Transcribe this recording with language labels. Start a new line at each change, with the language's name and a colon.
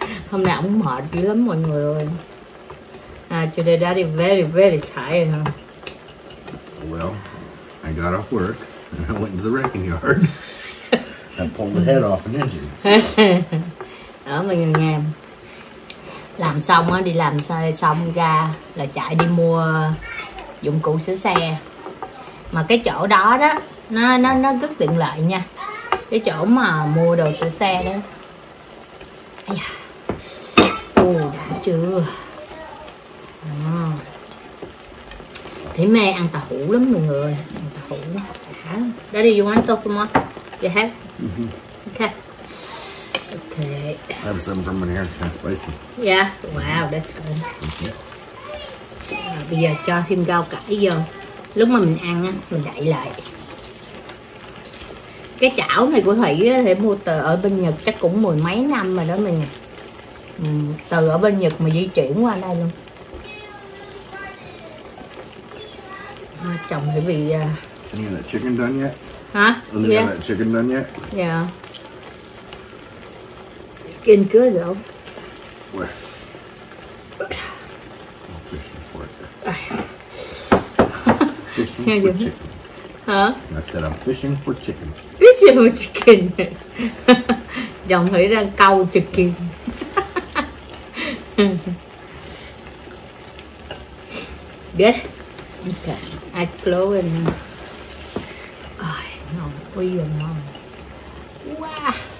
Vietnamese: Hôm nay ông mệt dữ lắm mọi người ơi.
English: Today daddy very, very tired, huh? Well, I got off work and I went to the wrecking yard. And pulled the head off an engine.
Vietnamese: Đó, mọi người nghe. Làm xong á, đi làm xong ra là chạy đi mua dụng cụ sửa xe. Mà cái chỗ đó đó, nó rất tiện lợi nha. Cái chỗ mà mua đồ sửa xe đó. Ây da. Ồ, đã chưa. À. Thấy mê ăn tàu hủ lắm mọi người. Ăn tàu hủ đó.
English: Daddy, you want to talk more? You have? Okay. I have some from my hair, kind of spicy. Yeah, wow, that's good. Okay.
Vietnamese: Bây giờ cho thêm rau cải vô. Lúc mà mình ăn á, mình đậy lại. Cái chảo này của Thủy á, thì mua từ ở bên Nhật chắc cũng mười mấy năm rồi đó mình. Từ ở bên Nhật mà di chuyển qua đây luôn. À, chồng thì bị...
English: Any of that chicken done yet? Huh? Yeah. Any of that chicken done yet? Yeah. Getting good though. Where? I'm fishing for it. Fishing for you... chicken. Huh? I said I'm fishing for chicken. Fishing for chicken.
Vietnamese: Dòng thủy đang câu chicken.
English: Good? Okay. I close and...
Vietnamese: Ôi, ngon. Ôi, ngon.
English: Wow.